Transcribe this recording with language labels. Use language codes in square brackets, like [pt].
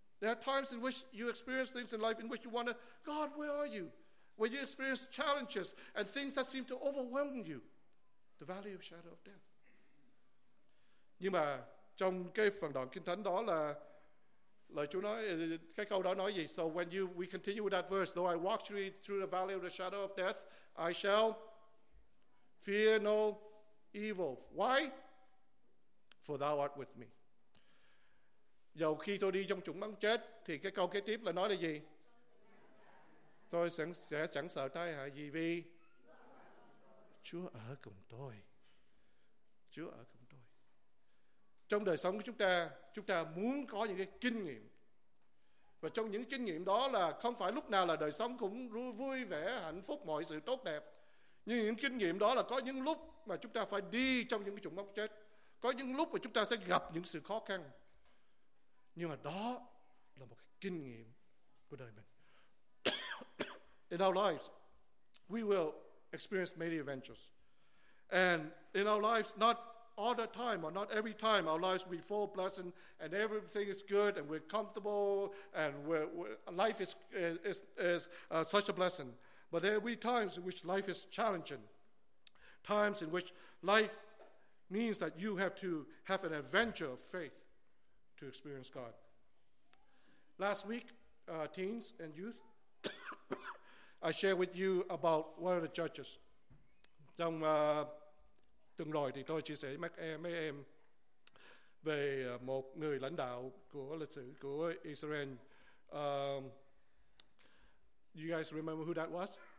[en] There are times in which you experience things in life in which you wonder, God, where are you? When you experience challenges and things that seem to overwhelm you. The valley of shadow of death. [vi] Nhưng mà trong cái phần đoạn kinh thánh đó là lời Chúa nói, cái câu đó nói gì? [en] So when you, we continue with that verse, though I walk through the valley of the shadow of death, I shall fear no evil. Why? For thou art with me. [vi] Dầu khi tôi đi trong chủng bóng chết, thì cái câu kế tiếp là nói là gì? Tôi sẽ chẳng sợ tai hại gì vì Chúa ở cùng tôi. Chúa ở cùng tôi. Trong đời sống của chúng ta muốn có những cái kinh nghiệm. Và trong những kinh nghiệm đó là không phải lúc nào là đời sống cũng vui vẻ, hạnh phúc, mọi sự tốt đẹp. Nhưng những kinh nghiệm đó là có những lúc mà chúng ta phải đi trong những cái chủng bóng chết. Có những lúc mà chúng ta sẽ gặp những sự khó khăn. Nhưng mà đó là một cái kinh nghiệm của đời mình. [en] In our lives, we will experience many adventures. And in our lives, not all the time or not every time, our lives will be full of blessing and everything is good and we're comfortable and life is such a blessing. But there will be times in which life is challenging. Times in which life means that you have to have an adventure of faith to experience God. Last week, teens and youth, I share with you about one of the churches. [vi] Trong tuần rồi thì tôi chia sẻ với mấy em về một người lãnh đạo của lịch sử của Israel. [en] You guys remember who that was?